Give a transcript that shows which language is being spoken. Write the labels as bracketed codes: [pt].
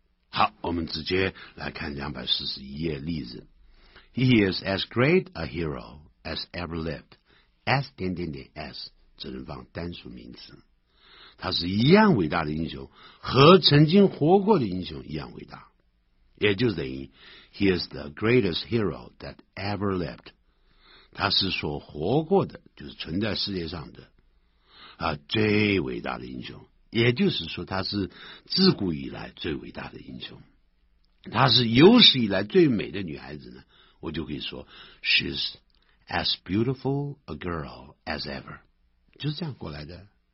[zh] 好，我们直接来看241页例子。 [en] He is as great a hero as ever lived. As 点点点 as [zh] 只能放单数名词。他是一样伟大的英雄，和曾经活过的英雄一样伟大。也就等于 [en] He is the greatest hero that ever lived. [zh] 他是所活过的，就是存在世界上的啊最伟大的英雄。也就是说他是自古以来最伟大的英雄，他是有史以来最美的女孩子呢，我就可以说 [en] She's as beautiful a girl as ever. [zh] 就是这样过来的。